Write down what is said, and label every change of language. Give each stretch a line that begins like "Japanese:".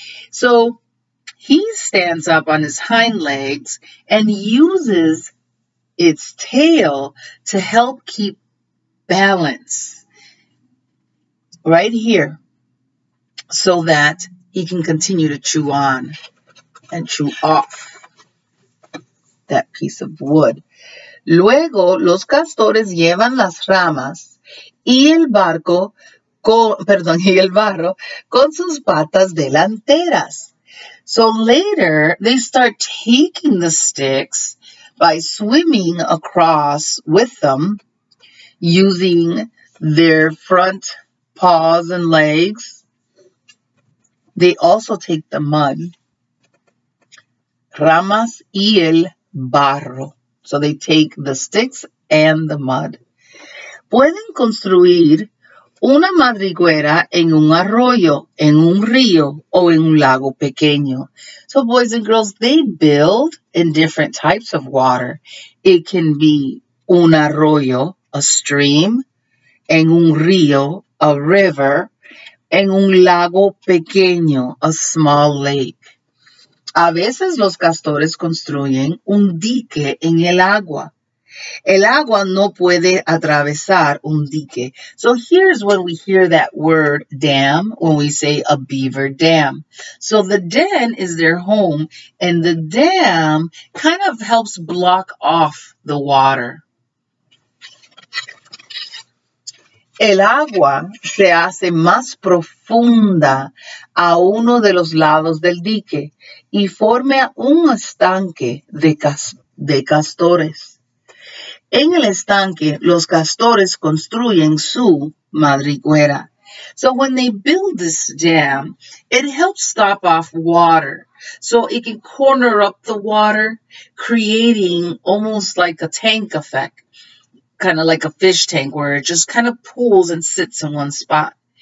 English: So he stands up on his hind legs and uses its tail to help keep balance right here so that he can continue to chew on and chew off that piece of wood.
Spanish: Luego, los castores llevan las ramas y el barro con sus patas delanteras.
English: So later, they start taking the sticks by swimming across with them using their front paws and legs. They also take the mud,
Spanish: ramas y el barro.
English: So they take the sticks and the mud.
Spanish: Pueden construir una madriguera en un arroyo, en un río, o en un lago pequeño.
English: So, boys and girls, they build in different types of water. It can be
Spanish: un arroyo,
English: a stream,
Spanish: en un río,
English: a river,
Spanish: en un lago pequeño,
English: a small lake.
Spanish: A veces los castores construyen un dique en el agua. El agua no puede atravesar un dique.
English: So here's when we hear that word dam, when we say a beaver dam. So the den is their home, and the dam kind of helps block off the water.
Spanish: El agua se hace más profunda a uno de los lados del dique y forma un estanque de castores. En el estanque, los castores construyen su madriguera.
English: So when they build this dam, it helps stop off water. So it can corner up the water, creating almost like a tank effect, kind of like a fish tank where it just kind of pools and sits in one spot.